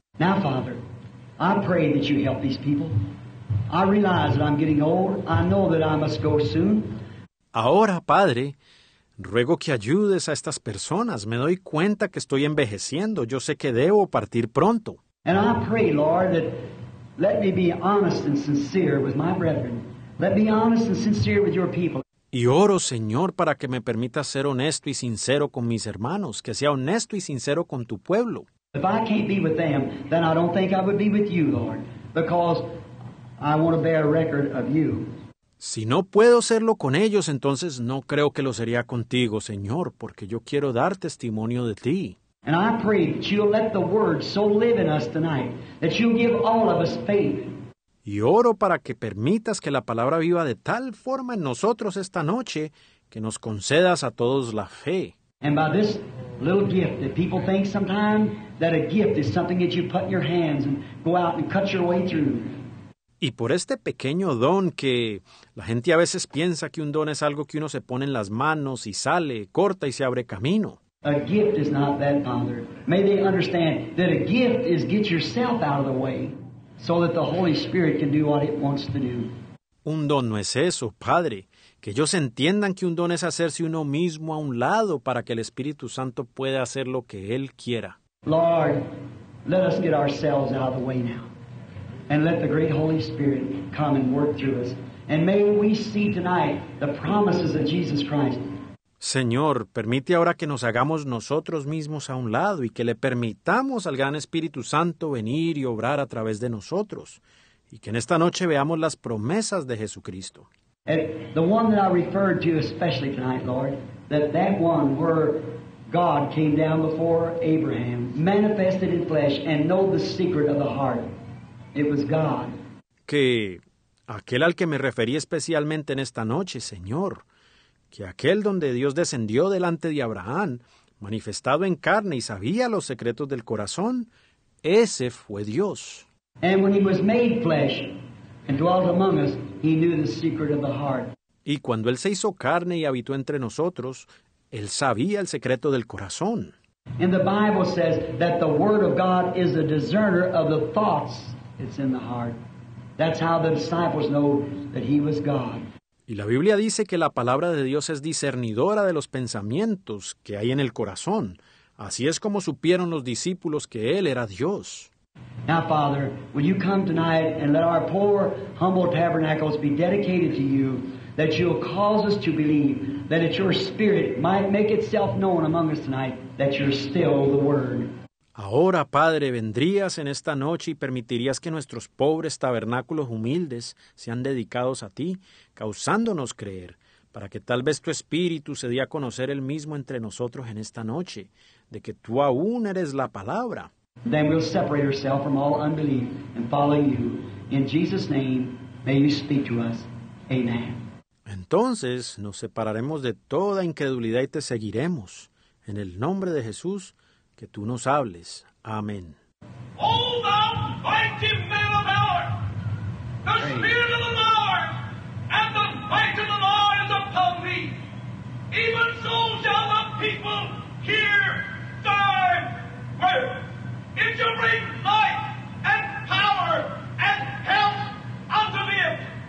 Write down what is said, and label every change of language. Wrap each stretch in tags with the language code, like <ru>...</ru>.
<en>Now, Father, I pray that you help these people. I realize that I'm getting old. I know that I must go soon.</en> <es>Ahora, Padre, ruego que ayudes a estas personas. Me doy cuenta que estoy envejeciendo. Yo sé que debo partir pronto.</es> <en>And I pray, Lord, that let me be honest and sincere with my brethren. Let me be honest and sincere with your people.</en> <es>Y oro, Señor, para que me permitas ser honesto y sincero con mis hermanos, que sea honesto y sincero con tu pueblo.</es> <en>If I can't be with them, then I don't think I would be with you, Lord, because I want to bear a record of you.</en> <es>Si no puedo serlo con ellos, entonces no creo que lo sería contigo, Señor, porque yo quiero dar testimonio de ti.</es> <en>And I pray that you'll let the word so live in us tonight, that you'll give all of us faith.</en> <es>Y oro para que permitas que la palabra viva de tal forma en nosotros esta noche que nos concedas a todos la fe.</es> <en>And by this little gift that people think sometimes that a gift is something that you put in your hands and go out and cut your way through.</en> <es>Y por este pequeño don que la gente a veces piensa que un don es algo que uno se pone en las manos y sale, corta y se abre camino.</es> <en>A gift is not that, Father. May they understand that a gift is get yourself out of the way so that the Holy Spirit can do what it wants to do.</en> <es>Un don no es eso, Padre. Que ellos entiendan que un don es hacerse uno mismo a un lado para que el Espíritu Santo pueda hacer lo que Él quiera.</es> <en>Lord, let us get ourselves out of the way now. And let the great Holy Spirit come and work through us. And may we see tonight the promises of Jesus Christ.</en> <es>Señor, permite ahora que nos hagamos nosotros mismos a un lado y que le permitamos al gran Espíritu Santo venir y obrar a través de nosotros. Y que en esta noche veamos las promesas de Jesucristo.</es> <en>And the one that I referred to especially tonight, Lord, that one where God came down before Abraham, manifested in flesh, and know the secret of the heart. It was God.</en> <es>Que aquel al que me referí especialmente en esta noche, Señor, que aquel donde Dios descendió delante de Abraham, manifestado en carne y sabía los secretos del corazón, ese fue Dios.</es> <en>And when he was made flesh and dwelt among us, he knew the secret of the heart.</en> <es>Y cuando él se hizo carne y habitó entre nosotros, él sabía el secreto del corazón.</es> <en>And the Bible says that the word of God is a discerner of the thoughts. It's in the heart. That's how the disciples know that he was God.</en> <es>Y la Biblia dice que la palabra de Dios es discernidora de los pensamientos que hay en el corazón. Así es como supieron los discípulos que él era Dios.</es> <en>Now, Father, will you come tonight and let our poor, humble tabernacles be dedicated to you, that you'll cause us to believe, that it's your Spirit might make itself known among us tonight, that you're still the Word.</en> <es>Ahora, Padre, vendrías en esta noche y permitirías que nuestros pobres tabernáculos humildes sean dedicados a ti, causándonos creer, para que tal vez tu Espíritu se dé a conocer el mismo entre nosotros en esta noche, de que tú aún eres la Palabra.</es> <en>Then we'll separate ourselves from all unbelief and follow you. In Jesus' name, may you speak to us. Amen.</en> <es>Entonces, nos separaremos de toda incredulidad y te seguiremos. En el nombre de Jesús, que tú nos hables. Amén.</es> <en>Oh, thou mighty man of valor, the Spirit of the Lord, and the might of the Lord is upon thee. Even so shall the people hear thy word. It shall bring life and power and help unto them.</en>